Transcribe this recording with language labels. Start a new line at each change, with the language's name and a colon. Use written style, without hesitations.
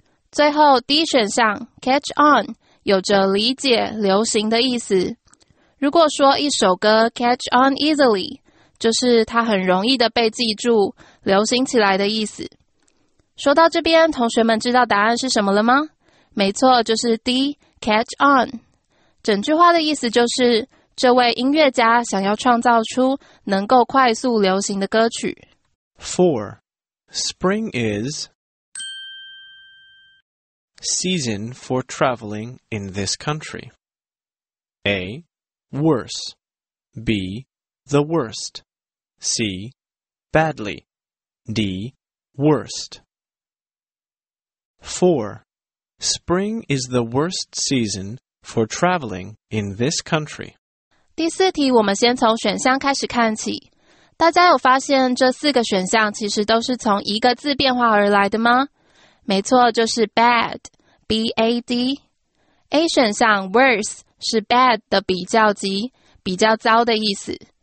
Chinese: 最后 D 选项 catch on 有着理解、流行的意思。如果说一首歌
English: catch on easily，
Chinese: 就是它很容易的被记住、流行起来的意思。说到这边，同学们知道答案是什么了吗？没错，就是 D catch on。整句话的意思就是，这位音乐家想要创造出能够快速流行的歌曲。
English: 4. Spring is season for traveling in this country. A. Worse. B. The worst. C. Badly. D. Worst. 4. Spring is the worst season for traveling in this country.
Chinese: 第四题，我们先从选项开始看起。大家有发现这四个选项其实都是从一个字变化而来的吗？没错，就是 bad, B-A-D。A 选项 worse 是 bad 的比较级，比较糟的意思。